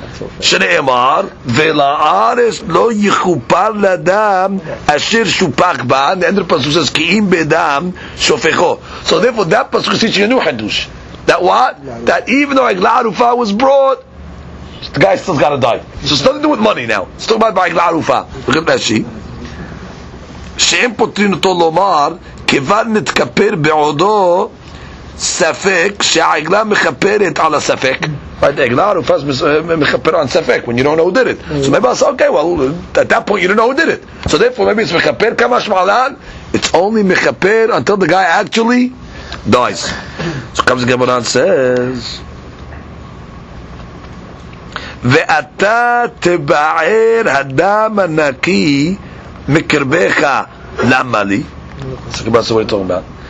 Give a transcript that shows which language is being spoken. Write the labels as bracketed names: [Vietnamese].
[Hebrew] Shne'emar ve'la ares lo yichupar ladam asher shupak ba. [English] And the end of the pasuk says [Hebrew] ki'im bedam shofecho. [English] So therefore, that pasuk is teaching a new hadush. That what? That even though egla arufa was brought, the guy still got to die. So it's nothing to do with money now. It's talking about egla arufa. Look at Rashi. [Hebrew] שאין פותרים אותו לומר כבר נתכפר בעודו ספק שהעגלה מכפרת על הספק. [English] But egla arufa mechaper on sefek when you don't know who did it. So maybe I'll say, okay, well, at that point you don't know who did it. So therefore, maybe it's mechaper kamash malan. It's only mechaper until the guy actually dies. So comes the Gemara and says, [Hebrew] ואתה תבער הדם הנקי mikrbecha lamali. [English] That's what we're talking about.